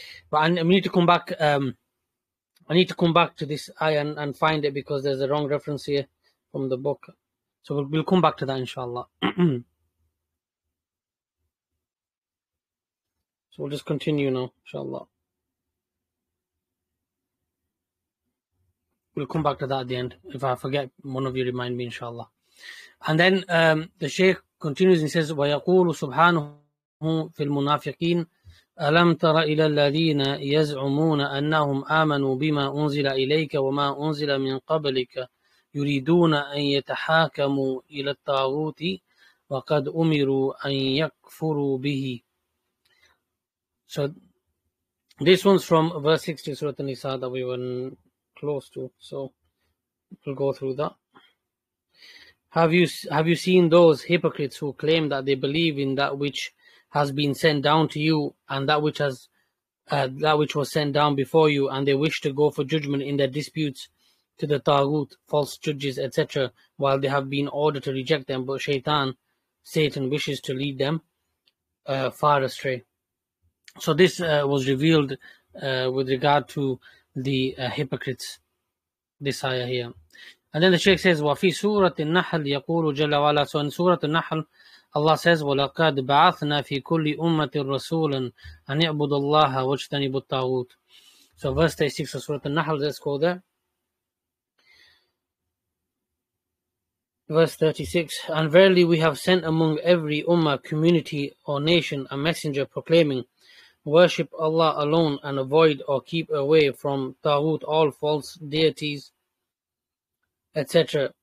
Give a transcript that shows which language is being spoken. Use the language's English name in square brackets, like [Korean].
[English] But I need to come back. I need to come back to this ayah and find it, because there's a wrong reference here from the book. So we'll come back to that, inshallah. So we'll just continue now, inshallah. We'll come back to that at the end. If I forget, one of you remind me, inshallah. And then the Shaykh continues and says, [Arabic] وَيَقُولُ سُبْحَانُهُ فِي الْمُنَافِقِينَ أَلَمْ تَرَ إِلَى الَّذِينَ يَزْعُمُونَ أَنَّهُمْ آمَنُوا بِمَا أُنزِلَ إِلَيْكَ وَمَا أُنزِلَ مِنْ قَبْلِكَ يُرِيدُونَ أَنْ يَتَحَاكَمُوا إِلَى الطَّاغُوتِ وَقَدْ أُمِرُوا أَنْ يَكْفُرُوا بِهِ. [English] So this one's from verse 60 Surah An-Nisa that we were close to. So we'll go through that. Have you seen those hypocrites who claim that they believe in that which has been sent down to you, and that which has that which was sent down before you, and they wish to go for judgment in their disputes to the Taghut, false judges, etc., while they have been ordered to reject them, but Satan wishes to lead them far astray? So this was revealed with regard to the hypocrites, this ayah here. And then the Shaykh says, [Arabic] وَفِي سُورَةِ النَّحْلِ يَقُولُ جَلَّ وَعَلَىٰ. [English] So in Surah An-Nahl, Allah says, [Arabic] وَلَقَدْ بَعَثْنَا فِي كُلِّ أُمَّةٍ رَسُولًا أَنْ يَعْبُدُ اللَّهَ وَاجْتَنِبُ الطَّاغُوتِ. [English] So verse 36 of Surah An-Nahl, let's go there. Verse 36, and verily we have sent among every ummah, community or nation a messenger proclaiming, worship Allah alone and avoid or keep away from Taghut all false deities, etc.